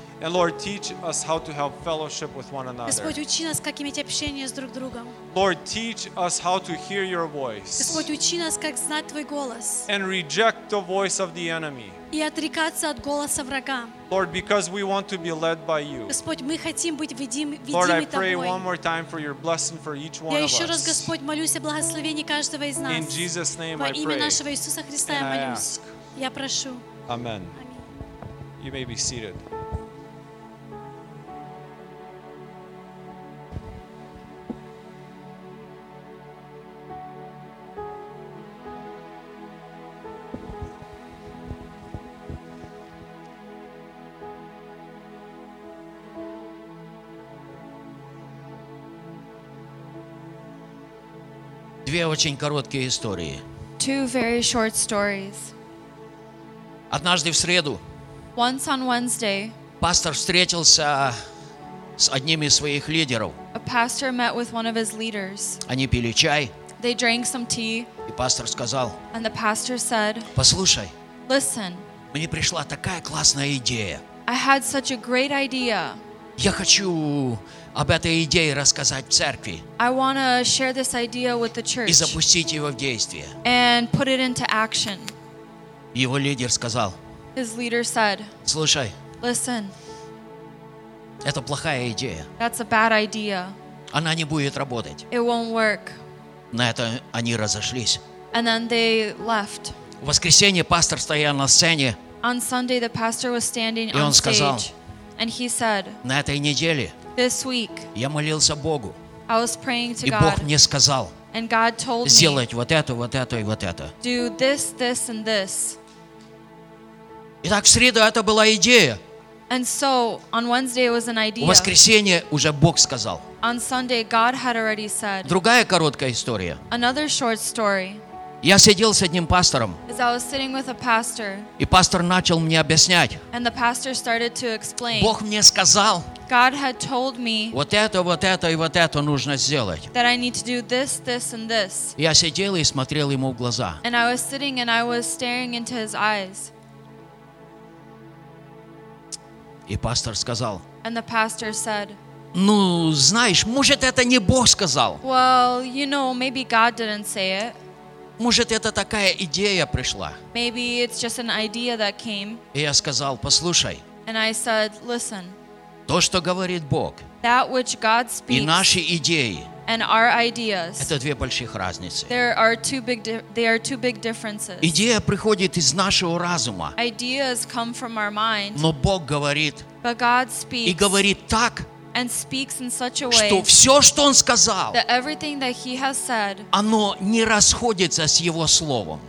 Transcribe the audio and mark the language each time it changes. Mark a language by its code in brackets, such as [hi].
[en] And Lord, teach us how to have fellowship with one another. [ru] Господь, учи нас, как иметь общение с друг другом. [en] Lord, teach us how to hear Your voice. [ru] Господь, учи нас, как знать Твой голос. [en] And reject the voice of the enemy. [ru] И отрекаться от голоса врага. [en] Lord, because we want to be led by You. [ru] Господь, мы хотим быть ведимы Тобой. [en] Lord, I pray one more time for Your blessing for each one of us. [ru] Я еще раз, Господь, молюсь о благословении каждого из нас. [en] In Jesus' name, I pray. [ru] Во имя нашего Иисуса Христа я молюсь. Я прошу. [en] Amen. You may be seated. [ru] Две очень короткие истории. [en] Two very short stories. [ru] Однажды в среду [en] Once on Wednesday, [ru] пастор встретился с одним из своих лидеров. [en] A pastor met with one of his leaders. [ru] Они пили чай. [en] They drank some tea. [ru] И пастор сказал, [en] And the pastor said, [ru] послушай, [en] Listen, [ru] мне пришла такая классная идея. [en] I had such a great idea. [ru] Я хочу об этой идее рассказать в церкви. [en] I want to share this idea with the church. [ru] И запустить его в действие. [en] And put it into action. [ru] Его лидер сказал. [en] His leader said. [ru] Слушай. [en] Listen. [ru] Это плохая идея. [en] That's a bad idea. [ru] Она не будет работать. [en] It won't work. [ru] На это они разошлись. [en] And then they left. [ru] В воскресенье пастор стоял на сцене. [en] On Sunday the pastor was standing on stage. [ru] И он сказал. [en] And he said. [ru] На этой неделе. [en] This week, [ru] я молился Богу. [en] I was praying to [ru] и [en] God. [ru] Бог мне сказал. [en] And God told [ru] сделать [en] me, [ru] вот это, вот это и вот это. [en] Do this, this, and this. [ru] Итак, в среду это была идея. [en] And so, on Wednesday it was an idea. [ru] В воскресенье уже Бог сказал. [en] On Sunday, God had already said. [ru] Другая короткая история. [en] Another short story. [ru] Я сидел с одним пастором. [en] As I was sitting with a pastor, [ru] и пастор начал мне объяснять. [en] And the pastor started to explain. [ru] Бог мне сказал. [en] God had told me [ru] вот это, вот это и вот это нужно сделать. [en] That I need to do this, this, and this. [ru] Я сидел и смотрел ему в глаза. [en] And I was sitting and I was staring into his eyes. [ru] И пастор сказал. [en] And the pastor said. [ru] Ну, знаешь, может это не Бог сказал. [en] Well, you know, maybe God didn't say it. [ru] Может, это такая идея пришла. [en] Maybe it's just an idea that came. [ru] И я сказал, послушай. [en] And I said, listen. [ru] То, что говорит Бог. [en] That which God speaks. [ru] И наши идеи. [en] And our ideas. [ru] Это две больших разницы. [en] There are two big differences. [ru] Идея приходит из нашего разума. [en] Ideas come from our mind. [ru] Но Бог говорит. [en] But God speaks. [ru] И говорит так. [en] and speaks in such a way, [ru] что все, что он сказал, [en] that everything that he has said, [ru] оно не расходится с его словом.